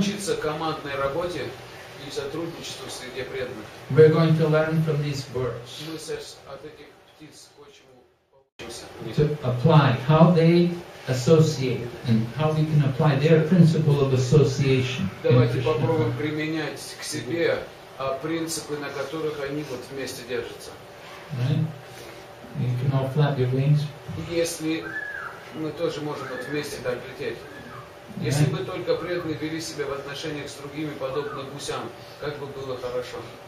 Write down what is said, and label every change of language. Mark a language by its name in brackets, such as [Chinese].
[Russian] Учиться командной работе и сотрудничеству среди преданных. [English] We're going to learn from these birds. [Russian] Мы сейчас от этих птиц хочем. [English] to apply, how they associate, and how we can apply their principle of association. [Russian] Давайте попробуем применять к себе принципы, на которых они вот вместе держатся. [English] Right? You can all flap your wings. [Russian] Если мы тоже можем вот вместе так лететь. Если бы только преданные вели себя в отношениях с другими, подобно гусям, как бы было хорошо.